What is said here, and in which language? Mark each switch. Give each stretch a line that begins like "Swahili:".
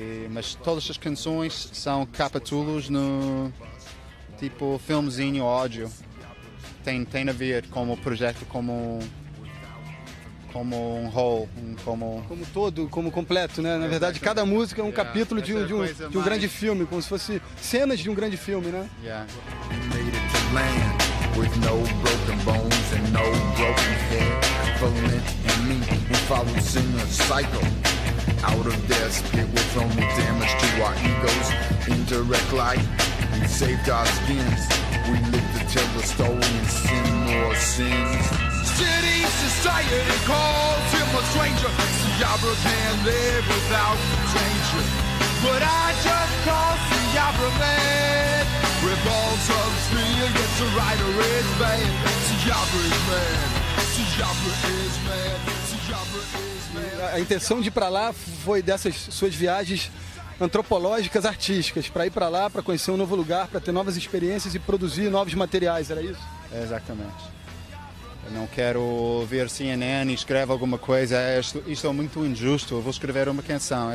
Portuguese: Mas todas as canções são capítulos no tipo filmezinho áudio. Tem a ver com o projeto como um
English: whole,
Portuguese: como todo, como completo, né? Na verdade, cada música é um capítulo de um grande filme, como se fosse cenas de um grande filme, né?
English: With no broken bones and no broken head, Valent and me, we follow in a cycle. Out of this pit with only damage to our egos. Indirect light, we saved our skins. We live to tell the story and sin more sins. City, society calls him a stranger. Siyabra can't live without danger. But I just call Siyabra man. With balls of steel, yet the writer is man. Siyabra is man. Siyabra is man. Siyabra is man.
Portuguese: A intenção de ir para lá foi dessas suas viagens antropológicas, artísticas, para ir para lá, para conhecer um novo lugar, para ter novas experiências e produzir novos materiais, era isso? É, exatamente. Eu não quero ver CNN escreve alguma coisa, isso é muito injusto, eu vou escrever uma canção.